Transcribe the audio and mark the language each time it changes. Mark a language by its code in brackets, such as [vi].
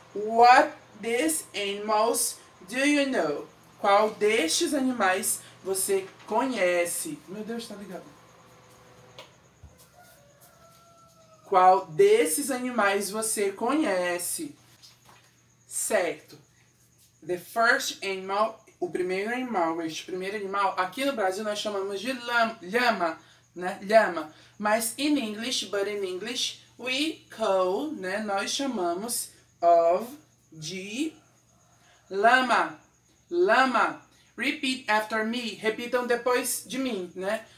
[en] What these animals do you know? [pt] Qual destes animais você conhece? Meu Deus, tá ligado. Qual desses animais você conhece? Certo. [en] The first animal, [pt] o primeiro animal, este primeiro animal, aqui no Brasil nós chamamos de llama, né? Llama. Mas [en] in English, but in English, we call, né? [pt] Nós chamamos of, de llama. Lama. [en] Repeat after me. [pt] Repitam depois de mim, né?